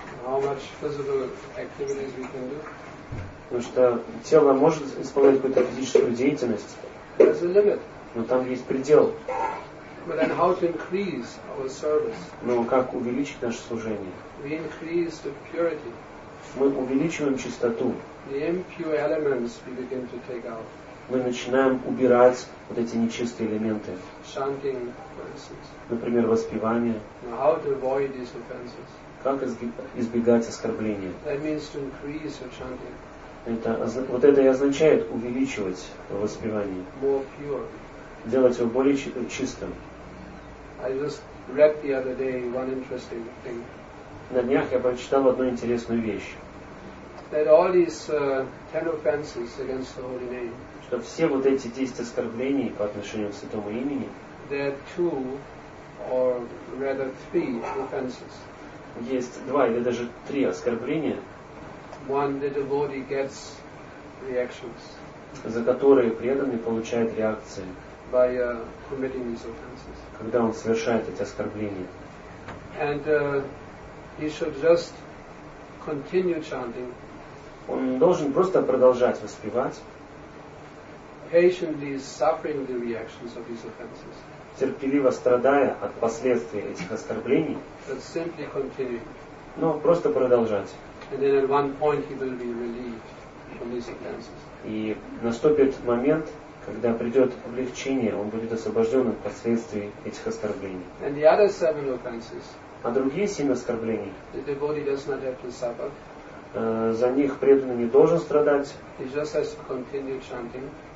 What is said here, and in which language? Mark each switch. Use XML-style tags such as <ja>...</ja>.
<ru>Потому что тело может исполнять какую-то физическую деятельность, но там есть предел.</ru> <en>But then how to increase our service?</en> <ru>Но как увеличить наше служение?</ru> <en>We increase the purity.</en> <ru>Мы увеличиваем чистоту.</ru> <en>The impure elements we begin to take out.</en> <ru>Мы начинаем убирать вот эти нечистые элементы.</ru> <en>Chanting, for instance.</en> <ru>Например, воспевание.</ru> <en>Now how to avoid these offenses?</en> <ru>Как избегать оскорбления?</ru> <en>That means to increase your chanting.</en> <ru>Это, вот это и означает увеличивать воспевание.</ru> <en>More pure.</en> <ru>Делать его более чистым.</ru> <en>I just read the other day one interesting thing.</en> <ru>На днях я прочитал одну интересную вещь.</ru> <en>That all these ten offenses against the holy name.</en> <ru>Что все вот эти 10 оскорблений по отношению к святому имени.</ru> <en>There are two, or rather three offenses.</en> <ru>Есть два или даже три оскорбления.</ru> <en>One that the devotee gets reactions.</en> <ru>За которые преданный получает реакции.</ru> <en>By committing these offenses.</en> <ru>Когда он совершает эти оскорбления.</ru> <en>And he should just continue chanting.</en> <ru>Он должен просто продолжать воспевать.</ru> <en>Patiently suffering the reactions of these offenses.</en> <ru>Терпеливо страдая от последствий этих оскорблений.</ru> <en>But simply continue.</en> <ru>Но просто продолжать.</ru> <en>And then at one point he will be relieved from these offenses.</en> <ru>И наступит момент, когда придет облегчение, он будет освобожден от последствий этих оскорблений.</ru> <en>And the other seven offenses,</en> <ru>а другие 7 оскорблений,</ru> <en>the devotee does not have to suffer.</en> <ru>За них преданный не должен страдать.</ru> <en>He just has to continue chanting.</en>